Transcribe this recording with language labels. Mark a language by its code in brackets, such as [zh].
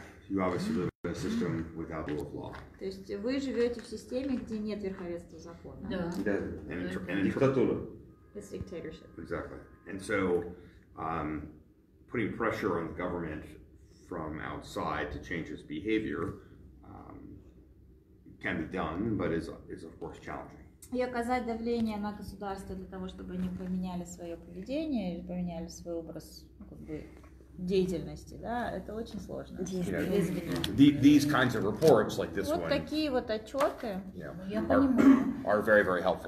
[en] You obviously live in a system without rule of law. [ru] То есть вы живете в системе, где нет верховенства закона. Да. Диктатура. [en] It's dictatorship. Exactly. And so, putting pressure on the government from outside to change its behavior can be done, but is of course challenging. [ru] и оказать давление на государство для того, чтобы они поменяли свое поведение или поменяли свой образ как бы деятельности, да, это очень сложно. [en] These kinds of reports, like this [ru] one. Вот такие вот отчеты. [en] Yeah. Are very very helpful.